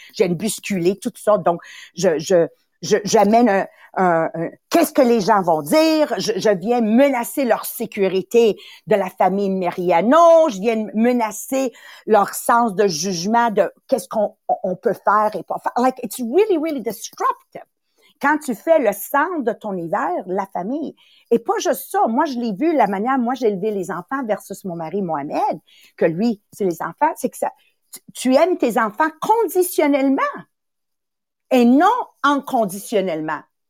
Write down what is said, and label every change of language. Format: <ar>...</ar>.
<fr>J'ai une bousculée, tout ça, donc j'amène un qu'est-ce que les gens vont dire? Je viens menacer leur sécurité de la famille Mariano, je viens menacer leur sens de jugement de qu'est-ce qu'on peut faire et pas faire.</fr> <en>Like, it's really, really disruptive.</en> <fr>Quand tu fais le centre de ton univers, la famille, et pas juste ça, moi je l'ai vu, la manière, moi j'ai élevé les enfants versus mon mari Mohamed, que lui, c'est les enfants, c'est que ça, tu aimes tes enfants conditionnellement et non inconditionnellement.</fr>